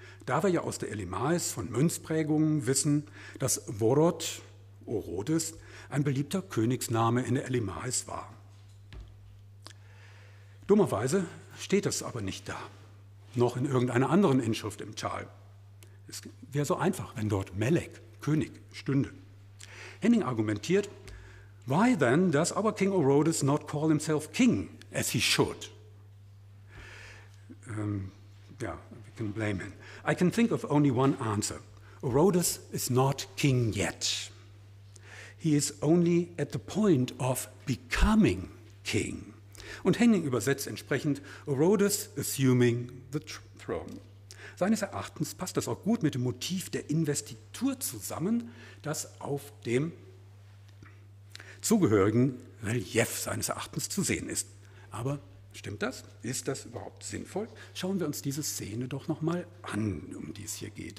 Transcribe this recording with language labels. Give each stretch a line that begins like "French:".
German: Da wir ja aus der Elimais von Münzprägungen wissen, dass Vorot, Orodes, ein beliebter Königsname in der Elimais war. Dummerweise steht das aber nicht da, noch in irgendeiner anderen Inschrift im Tal. Es wäre so einfach, wenn dort Melek, König, stünde. Henning argumentiert,
English: why then does our King Orodes not call himself king, as he should? We can blame him. I can think of only one answer. Orodes is not king yet. He is only at the point of becoming king.
German: Und Henning übersetzt entsprechend Herodes
English: assuming the throne.
German: Seines Erachtens passt das auch gut mit dem Motiv der Investitur zusammen, das auf dem zugehörigen Relief seines Erachtens zu sehen ist. Aber stimmt das? Ist das überhaupt sinnvoll? Schauen wir uns diese Szene doch nochmal an, um die es hier geht.